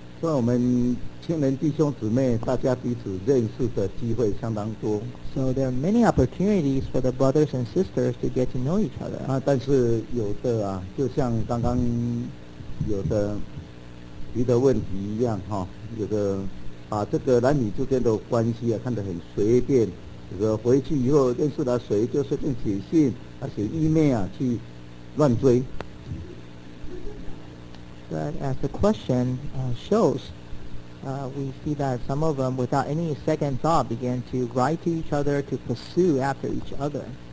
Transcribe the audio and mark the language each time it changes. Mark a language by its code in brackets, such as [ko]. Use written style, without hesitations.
[zh] 所以我们青年弟兄姊妹大家彼此认识的机会相当多。 [en] So there are many opportunities for the brothers and sisters to get to know each other. [zh] 但是有的就像刚刚有的提的问题一样，有的把这个男女之间的关系看得很随便，有的回去以后认识了谁就是另写信，写email去乱追。 [en] But as the question shows, we see that some of them, without any second thought, began to write to each other to pursue after each other.